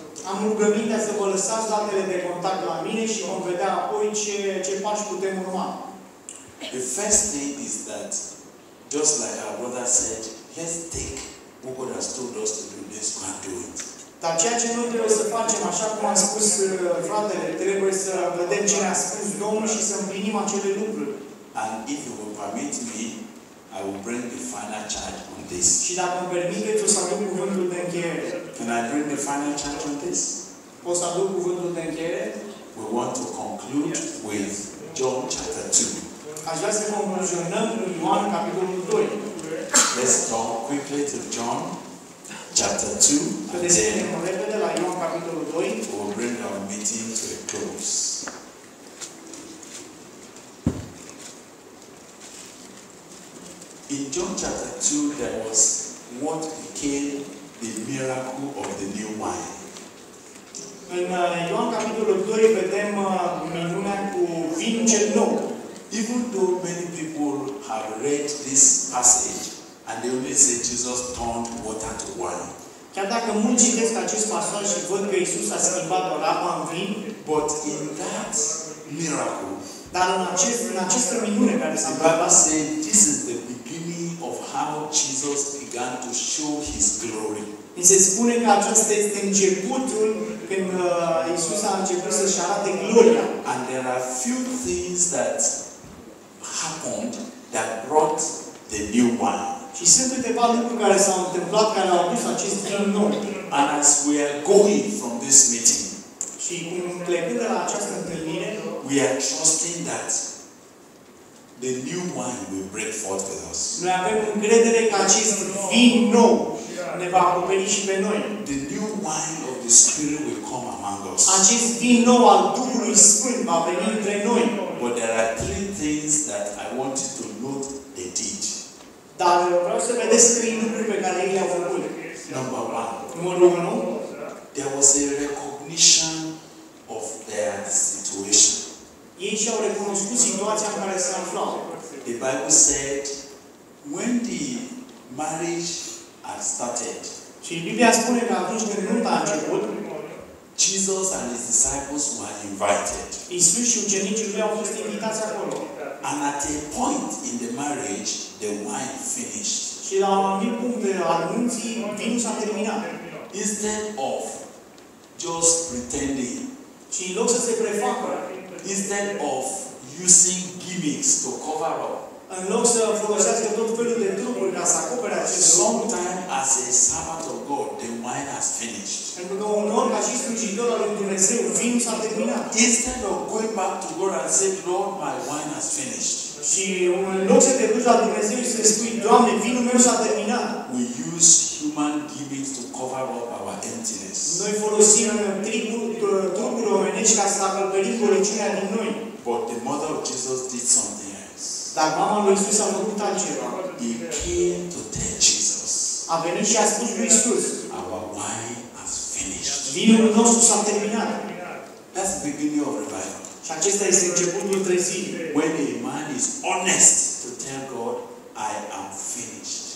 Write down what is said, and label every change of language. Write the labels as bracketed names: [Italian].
[Romanian] Am rugămintea să vă lăsați datele de contact la mine și vom vedea apoi ce pași putem urma. [English] The first thing is that, just like our brother said, let's take what God has told us to do, let's go and do it. [Romanian] Dar ceea ce noi trebuie să facem, așa cum a spus fratele, trebuie să vedem ce ne-a spus Domnul și să împlinim acele lucruri. [English] And if you will permit me, I will bring the final charge on this. [Romanian] Și dacă îmi permiteți, o să aduc cuvântul de încheiere. [English] Can I bring the final charge on this? [Romanian] O să aduc cuvântul de încheiere. [English] We want to conclude with John chapter 2. [Romanian] Aș vrea să concluzionăm cu Ioan capitolul 2. [English] Let's talk quickly to John chapter 2. [Romanian] Vedem repede la Ioan capitolul 2. [English] We'll bring our meeting to a close. In John chapter 2 there was what became the miracle of the new wine. [Romanian] În Ioan capitolul 2 vedem minunea cu vinul cel nou. [English] Even though many people have read this passage and they only say Jesus turned water to wine. [Romanian] Chiar dacă mulți citesc acest pasaj și văd că Iisus a schimbat o apă în vin, [English] but in that miracle, [Romanian] dar în această minune care s-a [English] întâmplat, say this is the beginning of how Jesus began to show his glory. [Romanian] Mi se spune că acesta este începutul când Iisus a început să-și arate gloria. [English] And there are few things that happened that brought the new wine. [Romanian] Și sunt câteva lucruri care s-au întâmplat care au adus acest vin nou. [English] And as we are going from this meeting, [Romanian] și cum plecând de la această întâlnire, [English] we are trusting that the new wine will break forth with us. [Romanian] Noi avem încredere că acest vin nou ne va acoperi și pe noi. [English] The new wine of the Spirit will come among us. [Romanian] Acest vin nou al Duhului Sfânt va veni între noi. [English] But there are three things that I want you to note they did. [Romanian] Dar vreau să vedeți trei lucruri pe care ei le-au făcut. [English] Number one. [Romanian] Numărul 1. [English] There was a recognition of their situation. [Romanian] Ei și-au recunoscut situația în care se aflau. [English] The Bible said, when the marriage had started, [Romanian] și Biblia spune că atunci când nunta a început, [English] Jesus and his disciples were invited. [Romanian] Iisus și ucenicii lui au fost invitați acolo. [English] And at a point in the marriage, the wine finished. [Romanian] Și la un anumit punct de anunții, vinul s-a terminat. [English] Instead of just pretending, [Romanian] și în loc să se prefacă, [English] instead of using gimmicks to cover up, [Romanian] în loc să folosească tot felul de trucuri ca să acopere acest lucru, [English] sometimes as a servant of God, the wine has finished. [Romanian] Pentru că un om ca și slujitor al lui Dumnezeu, vinul s-a terminat. [English] Instead of going back to God and saying, Lord, my wine has finished. [Romanian] Și în loc să te duci la Dumnezeu și să spui, Doamne, vinul meu s-a terminat. [English] We use human gimmicks to cover up our emptiness. [Romanian] Noi folosim trucuri omenești ca să acoperim goliciunea din noi. [English] But the mother of Jesus did something else. [Romanian] Dar mama lui Iisus a făcut altceva. [English] He came to tell Jesus. [Romanian] A venit și a spus lui Iisus. [English] Our wine has finished. [Romanian] Vinul nostru s-a terminat. [English] That's the beginning of revival. [Romanian] Și acesta este începutul trezirii. [English] When a man is honest to tell God, I am finished.